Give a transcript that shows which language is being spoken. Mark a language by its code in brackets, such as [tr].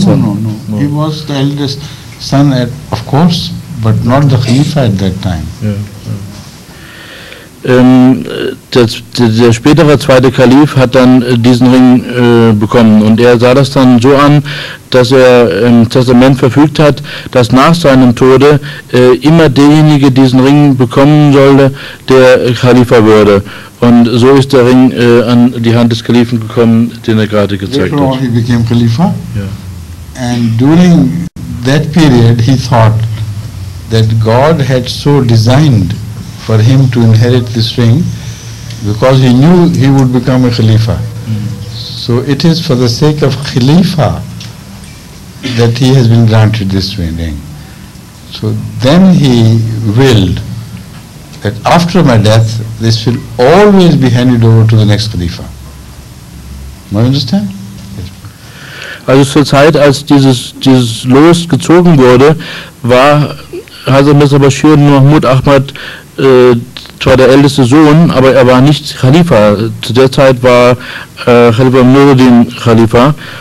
[de] Sohn? [en] No. He was the eldest son, of course, but not the Khalifa at that time. [de] Der spätere zweite Kalif hat dann diesen Ring bekommen und er sah das dann so an, dass er im Testament verfügt hat, dass nach seinem Tode immer derjenige diesen Ring bekommen sollte, der Khalifa würde. Und so ist der Ring an die Hand des Kalifen gekommen, den er gerade gezeigt hat. [en] Therefore he became Khalifa. And during that period he thought that God had so designed for him to inherit this ring, because he knew he would become a Khalifa. So it is for the sake of Khalifa that he has been granted this ring. So then he willed that after my death, this will always be handed over to the next Khalifa. Do you understand? [de] Also zur Zeit, als dieses Los gezogen wurde, war Hazrat Mirza Bashir Mahmud Ahmad zwar der älteste Sohn, aber er war nicht Khalifa. Zu der Zeit war Khalifa Nuruddin Khalifa.